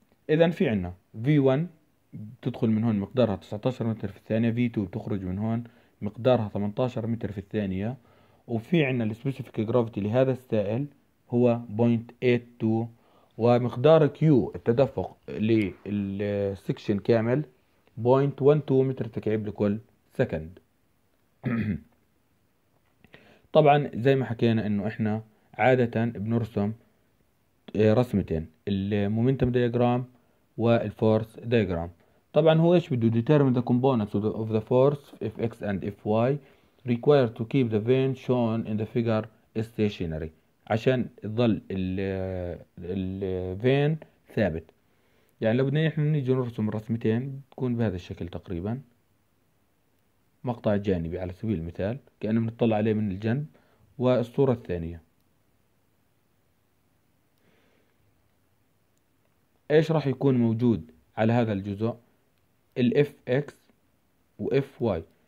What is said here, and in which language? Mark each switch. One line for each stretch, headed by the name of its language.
Arabic: إذا في عنا V1 تدخل من هون مقدارها 19 متر في الثانية، V2 بتخرج من هون مقدارها 18 متر في الثانية، وفي عنا السبيسيفيك جرافيتي لهذا السائل هو 0.82، ومقدار كيو التدفق للسكشن كامل 0.12 متر تكعيب لكل سكند. طبعا زي ما حكينا انه احنا عادة بنرسم رسمتين، المومنتم دايجرام والفورس دايجرام. طبعا هو ايش بده؟
English: determine the components of the force if x and if y required to keep the vane shown in the figure stationary،
Arabic: عشان يظل ال vane ثابت. يعني لو بدنا احنا نيجي نرسم الرسمتين تكون بهذا الشكل تقريبا، مقطع جانبي على سبيل المثال كأنه بنطلع عليه من الجنب، والصورة الثانية ايش راح يكون موجود على هذا الجزء؟ ال اف اكس و اف واي.